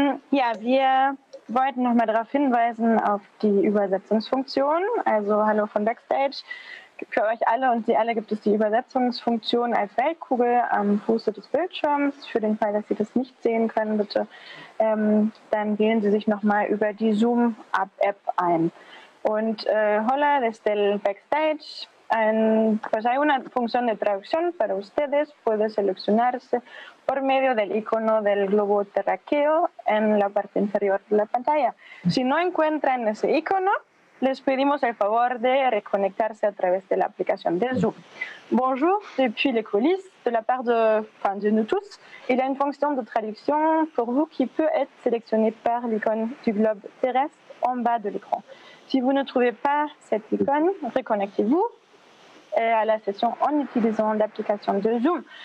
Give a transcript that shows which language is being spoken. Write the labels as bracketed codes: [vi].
[de] Ja, wir wollten nochmal darauf hinweisen auf die Übersetzungsfunktion. Also hallo von Backstage. Für euch alle und Sie alle gibt es die Übersetzungsfunktion als Weltkugel am Fuße des Bildschirms. Für den Fall, dass Sie das nicht sehen können, bitte, dann wählen Sie sich nochmal über die Zoom-App ein. [es] Und hola desde el Backstage. Pues hay una función de traducción para ustedes. Puede seleccionarse por medio del icono del globo terráqueo en la parte inferior de la pantalla. Si no encuentran ese icono, les pedimos el favor de reconectarse a través de la aplicación de Zoom. [fr] Bonjour, depuis les coulisses, de la part de, enfin, de nous tous, il y a une fonction de traduction pour vous qui peut être sélectionnée par l'icône du globe terrestre en bas de l'écran. Si vous ne trouvez pas cette icône, reconnectez-vous à la session en utilisant l'application de Zoom.